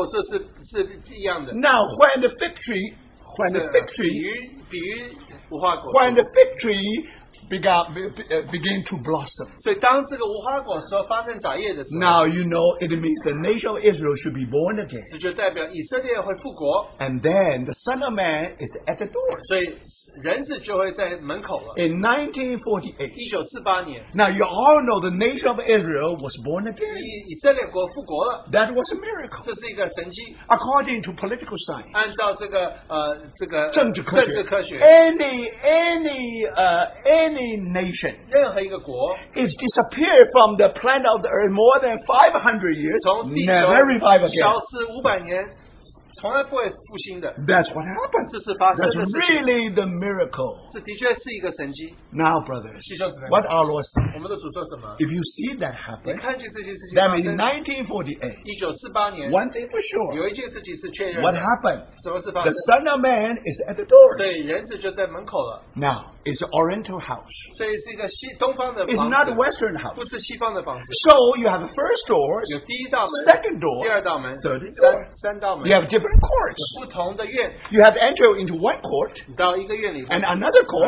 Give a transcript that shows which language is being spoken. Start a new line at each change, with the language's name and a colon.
Chinese: 跟我们说以色列跟无花果这是一样的。
English: Now when the fig tree, when the fig tree,
Chinese: 比喻无花果树,
English: when the fig tree began to blossom.
Chinese: 所以当这个无花果时候发生长叶的时候,
English: now you know it means the nation of Israel should be born again.
Chinese: 这就代表以色列会复国,
English: and then the Son of Man is at the door.
Chinese: 所以人子就会在门口了。
English: In 1948,
Chinese: 1948年,
English: now you all know the nation of Israel was born again.
Chinese: 以色列国复国了,
English: that was a miracle.
Chinese: 这是一个神迹,
English: according to political science,
Chinese: 按照这个政治科学,
English: any nation, if disappeared from the planet of the earth more than 500 years, never revive again.
Chinese: 从来不会复兴的,
English: that's what happened.
Chinese: 这是发生的事情,
English: that's really the miracle.
Chinese: 这的确是一个神迹,
English: now, brothers,
Chinese: 弟兄姊妹,
English: what our Lord said,
Chinese: 我们的主说什么?
English: If you see that happen,
Chinese: 你看见这件事情发生,
English: that means in 1948,
Chinese: 1948年,
English: one thing for sure,
Chinese: 有一件事情是确认的,
English: what happened?
Chinese: 什么是发生?
English: The Son of Man is at the door.
Chinese: 对,人子就在门口了,
English: now, it's an Oriental house.
Chinese: 所以是一个西,东方的房子,
English: it's not a Western house.
Chinese: 不是西方的房子,
English: so you have the first door,
Chinese: 有第一道门,
English: second door,
Chinese: 第二道门,
English: third door,
Chinese: 三道门,
English: you have different courts.
Chinese: 不同的院,
English: you have entered into one court
Chinese: 到一个院里,
English: and another court